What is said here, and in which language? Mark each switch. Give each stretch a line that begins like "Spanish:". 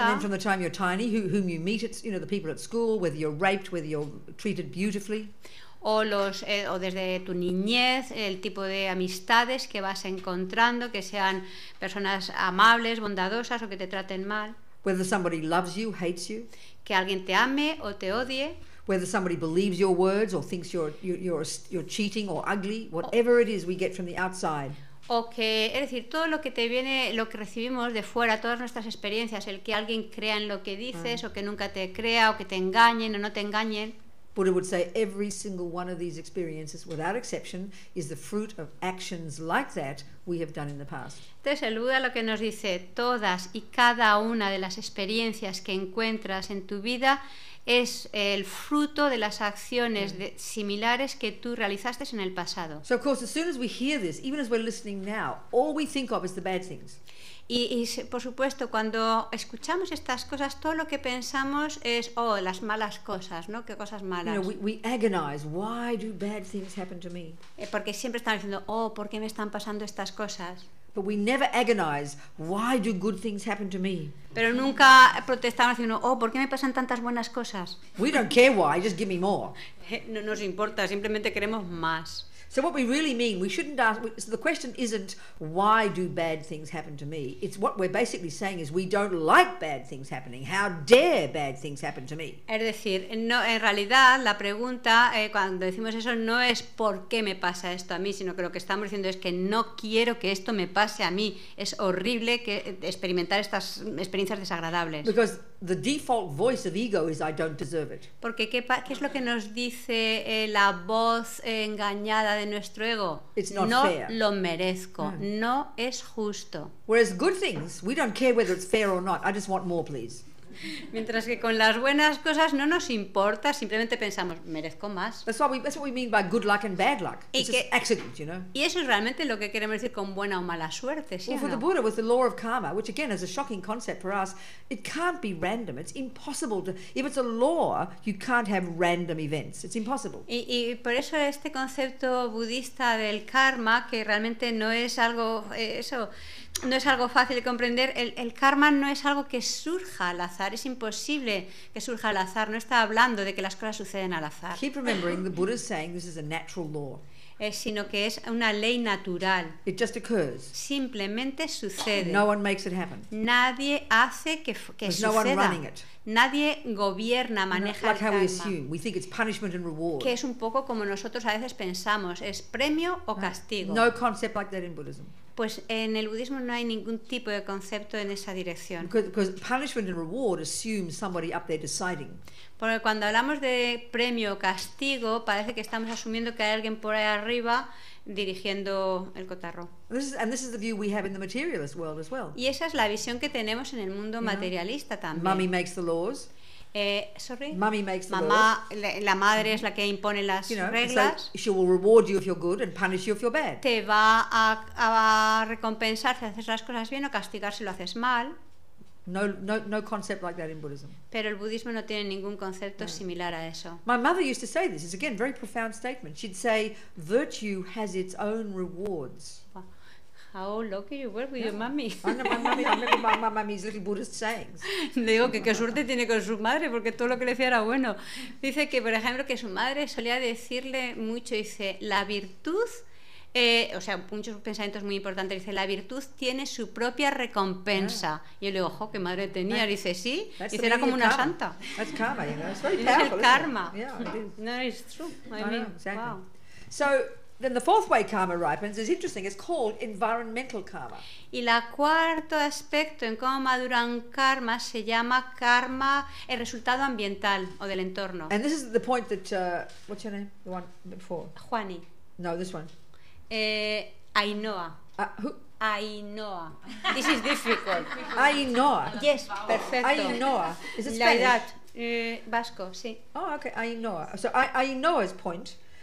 English: And then from the time you're tiny, whom you meet, it's, you know, the people at school, whether you're raped, whether you're treated beautifully.
Spanish: O desde tu niñez, el tipo de amistades que vas encontrando, que sean personas amables, bondadosas o que te traten mal.
English: Whether somebody loves you, hates you.
Spanish: Que alguien te ame o te odie.
English: Whether somebody believes your words or thinks you're cheating or ugly, whatever it is we get from the outside.
Spanish: O que, es decir, todo lo que te viene, lo que recibimos de fuera, todas nuestras experiencias, el que alguien crea en lo que dices o que nunca te crea o que te engañen o no te engañen.
English: Buddha would say every single one of these experiences, without exception, is the fruit of actions like that we have done in the past.
Spanish: Entonces el Buda lo que nos dice, todas y cada una de las experiencias que encuentras en tu vida es el fruto de las acciones similares que tú realizaste en el pasado.
English: So of course, as soon as we hear this, even as we're listening now, all we think of is the bad things.
Spanish: Y por supuesto, cuando escuchamos estas cosas, todo lo que pensamos es, oh, las malas cosas, ¿no? Qué cosas malas.
English: You know, we agonize. Why do bad things happen to me?
Spanish: Porque siempre estamos diciendo, oh, ¿por qué me están pasando estas cosas?
English: But we never agonize. Why do good things happen to me?
Spanish: Pero nunca protestamos diciendo, oh, ¿por qué me pasan tantas buenas cosas?
English: We don't care why. Just give me more.
Spanish: No nos importa. Simplemente queremos más.
English: So what we really mean, we shouldn't ask, so the question isn't why do bad things happen to me? It's what we're basically saying is we don't like bad things happening. How dare bad things happen to me?
Spanish: Es decir, no, en realidad la pregunta cuando decimos eso no es por qué me pasa esto a mí, sino que lo que estamos diciendo es que no quiero que esto me pase a mí. Es horrible que experimentar estas experiencias desagradables.
English: Because the default voice of ego is I don't deserve it.
Spanish: Porque qué es lo que nos dice la voz engañada de nuestro ego?
English: It's not
Spanish: no
English: fair.
Spanish: Lo merezco. No. No es justo.
English: Whereas good things, we don't care whether it's fair or not. I just want more, please.
Spanish: Mientras que con las buenas cosas no nos importa, simplemente pensamos, merezco más.
English: That's what we mean by good luck and bad luck. It's just accident, you know?
Spanish: Y eso es realmente lo que queremos decir con buena o mala suerte, ¿sí?
English: Well, for the Buddha, with the law of karma, which again is a shocking concept for us, it can't be random. It's impossible to, if it's a law, you can't have random events. It's impossible.
Spanish: Y por eso este concepto budista del karma, que realmente no es algo eso, no es algo fácil de comprender. El karma no es algo que surja al azar. Es imposible que surja al azar. No está hablando de que las cosas suceden al azar.
English: Keep remembering the Buddha's saying this is a natural law.
Spanish: Sino que es una ley natural.
English: It just occurs.
Spanish: Simplemente sucede.
English: No one makes it happen.
Spanish: Nadie hace que
English: There's
Spanish: suceda.
English: No one running it.
Spanish: Nadie gobierna, maneja
English: like
Spanish: el karma.
English: How we assume. We think it's punishment and reward.
Spanish: Que es un poco como nosotros a veces pensamos. Es premio o castigo.
English: No concept like that in Buddhism.
Spanish: Pues en el budismo no hay ningún tipo de concepto en esa dirección.
English: Because punishment and reward assume somebody up there deciding.
Spanish: Porque cuando hablamos de premio o castigo, parece que estamos asumiendo que hay alguien por ahí arriba dirigiendo el cotarro.
English: This is the view we have in the materialist world as well.
Spanish: Y esa es la visión que tenemos en el mundo materialista también.
English: Mummy makes the laws. Mummy makes the
Spanish: mamá, la madre es la que impone las reglas.
English: So she will reward you if you're good and punish you if you're bad.
Spanish: Te va a recompensar si haces las cosas bien o castigar si lo haces mal.
English: No concept like that in Buddhism.
Spanish: Pero el budismo no tiene ningún concepto similar a eso.
English: My mother used to say this. It's again a very profound statement. She'd say virtue has its own rewards. How lucky you were with your mummy. I remember my mummy's little Buddhist sayings.
Spanish: Digo que qué suerte tiene con su madre, porque todo lo que le decía era bueno. Dice que, por ejemplo, que su madre solía decirle mucho, dice, la virtud, o sea, muchos pensamientos muy importantes, dice, la virtud tiene su propia recompensa. Yeah. Y yo le digo, ojo, qué madre tenía. That, dice, sí. Dice, era como una
English: karma.
Spanish: Santa.
English: That's karma, you know. It's very powerful.
Spanish: Es el karma.
English: Yeah, it is. No, it's true. I mean, exactly. Wow. So, then the fourth way karma ripens is interesting. It's called environmental karma.
Spanish: Y la cuarto aspecto en cómo maduran karma se llama karma, el resultado ambiental o del entorno.
English: And this is the point that what's your name? The one before.
Spanish: Juani.
English: No, this one.
Spanish: Ainhoa.
English: Who? Ainhoa. This is difficult. Ainhoa. Yes, perfecto. Ainhoa. Is it Spanish?
Spanish: Vasco, sí.
English: Oh, okay. Ainhoa. So Ainhoa's point.